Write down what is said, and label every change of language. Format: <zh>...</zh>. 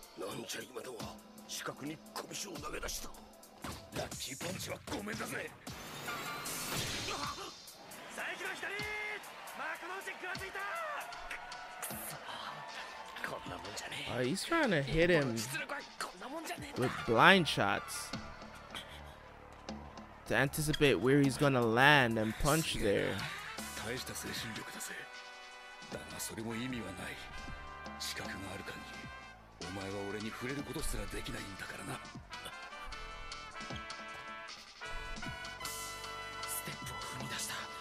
<ja>でも、なんじゃ今のは。近くに拳を投げ出した。ラッキーパンチはごめんだぜ。佐伯の左幕の内くらついた。こんなもんじゃねえ。</ja> <en>He's trying to hit him with blind shots to anticipate where he's gonna land and punch there.</en> <ja>大した精神力だぜ。だがそれも意味はない。資格がある限りお前は俺に触れることすらできないんだからな。ステップを踏み出した。</ja>